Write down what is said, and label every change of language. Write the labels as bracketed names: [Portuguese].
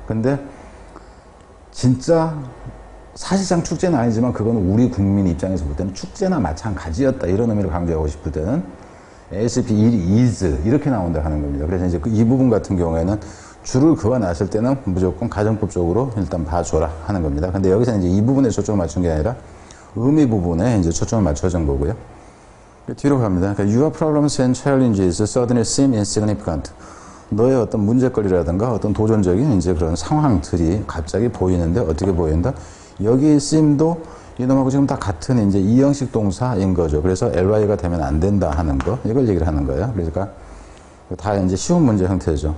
[Korean] 근데 진짜 사실상 축제는 아니지만 그건 우리 국민 입장에서 볼 때는 축제나 마찬가지였다 이런 의미를 강조하고 싶을 때는 [English] as if it is [Korean] 이렇게 나온다 하는 겁니다. 그래서 이제 그 이 부분 같은 경우에는 줄을 그어놨을 때는 무조건 가정법적으로 일단 봐줘라 하는 겁니다. 근데 여기서 이제 이 부분에 초점을 맞춘 게 아니라 의미 부분에 이제 초점을 맞춰준 거고요. 뒤로 갑니다. 그러니까 [English] Your problems and challenges suddenly seem insignificant. [Korean] 너의 어떤 문제거리라든가 어떤 도전적인 이제 그런 상황들이 갑자기 보이는데 어떻게 보인다? 여기 seem도 이놈하고 지금 다 같은 이제 2형식 동사인 거죠. 그래서 ly가 되면 안 된다 하는 거. 이걸 얘기를 하는 거예요. 그러니까 다 이제 쉬운 문제 형태죠.